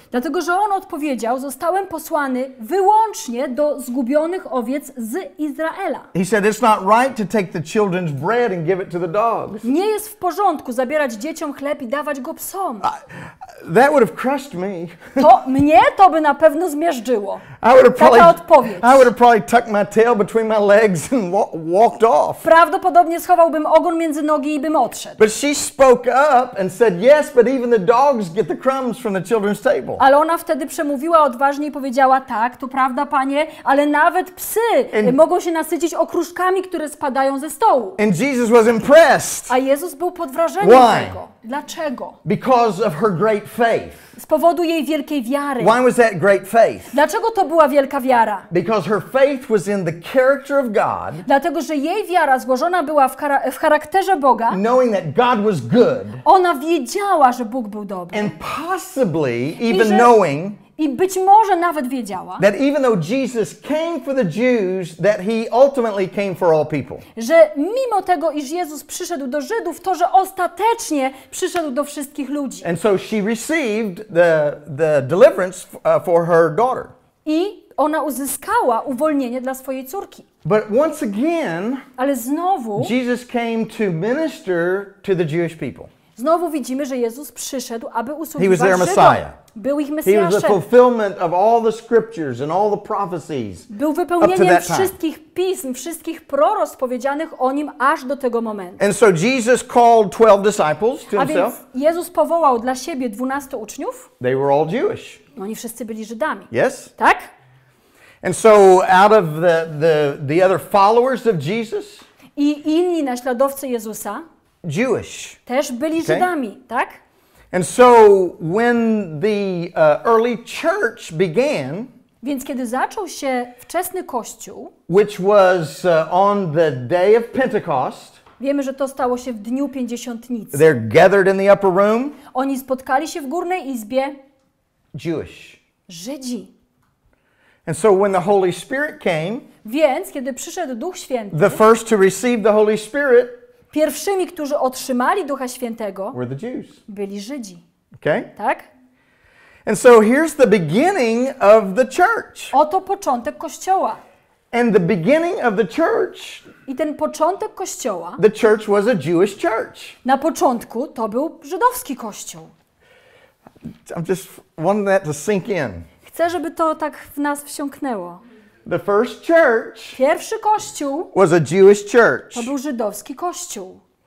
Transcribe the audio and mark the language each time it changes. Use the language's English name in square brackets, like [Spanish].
[Polish] Dlatego, że on odpowiedział, zostałem posłany wyłącznie do zgubionych owiec z Izraela. [English] He said, it's not right to take the children's bread and give it to the dogs. [Polish] Nie jest w porządku zabierać dzieciom chleb i dawać go psom. [English] That would have crushed me. [Polish] To mnie to by na pewno zmiażdżyło. [English] I would have probably tucked my tail between my legs and walked off. [Polish] Prawdopodobnie schowałbym ogon między nogi i bym odszedł. [English] But she spoke up and said, yes, but even the dogs get the crumbs from the children's table. [Polish] Ale ona wtedy przemówiła odważnie i powiedziała, tak, to prawda, panie, ale nawet psy mogą się nasycić okruszkami, które spadają ze stołu. [English] And Jesus was impressed. [Polish] A Jezus był pod wrażeniem tego. Dlaczego? [English] Because of her great faith. [Polish] Z powodu jej wielkiej wiary. [English] Why was that great faith? [Polish] Dlaczego to była wielka wiara? [English] Because her faith was in the character of God. [Polish] Dlatego, że jej wiara złożona była w charakterze Boga. [English] Knowing that God was good. [Polish] Ona wiedziała, że Bóg był dobry. [English] And possibly even knowing. [Polish] I być może nawet wiedziała, [English] that even though Jesus came for the Jews, that he ultimately came for all people. [Polish] Że mimo tego, iż Jezus przyszedł do Żydów, to że ostatecznie przyszedł do wszystkich ludzi. [English] And so she received the deliverance for her daughter. [Polish] I ona uzyskała uwolnienie dla swojej córki. [English] But once again, [Polish] ale znowu, [English] Jesus came to minister to the Jewish people. [Polish] Znowu widzimy, że Jezus przyszedł, aby usługiwać Żydom. [English] He was their Messiah. [Polish] Był ich Mesjaszem. [English] He was the fulfillment of all the scriptures and all the prophecies. [Polish] Był wypełnieniem wszystkich pism, wszystkich proroctw powiedzianych o nim aż do tego momentu. [English] And so Jesus called 12 disciples to himself. [Polish] A więc Jezus powołał dla siebie 12 uczniów. [English] They were all Jewish. [Polish] Oni wszyscy byli Żydami. [English] Yes. [Polish] Tak? [English] And so out of the other followers of Jesus? [Polish] I inni naśladowcy Jezusa? [English] Jewish. [Polish] Też byli okay. Żydami, tak? [English] And so when the early church began, [Polish] więc kiedy zaczął się wczesny kościół, [English] which was on the day of Pentecost, [Polish] wiemy, że to stało się w dniu pięćdziesiątnicy. [English] They're gathered in the upper room. [Polish] Oni spotkali się w górnej izbie. [English] Jewish. [Polish] Żydzi. [English] And so when the Holy Spirit came, [Polish] więc kiedy przyszedł Duch Święty, [English] the first to receive the Holy Spirit. [Polish] Pierwszymi, którzy otrzymali Ducha Świętego, [English] were the Jews. [Polish] Byli Żydzi. [English] Okay. [Polish] Tak? [English] And so here's the beginning of the church. [Polish] Oto początek kościoła. [English] And the beginning of the church. [Polish] I ten początek kościoła. [English] The church was a Jewish church. [Polish] Na początku to był żydowski kościół. [English] I'm just wanting that to sink in. [Polish] Chcę, żeby to tak w nas wsiąknęło. [English] The first church. [Polish] Pierwszy kościół. [English] Was a Jewish church. [Polish] To był żydowski kościół.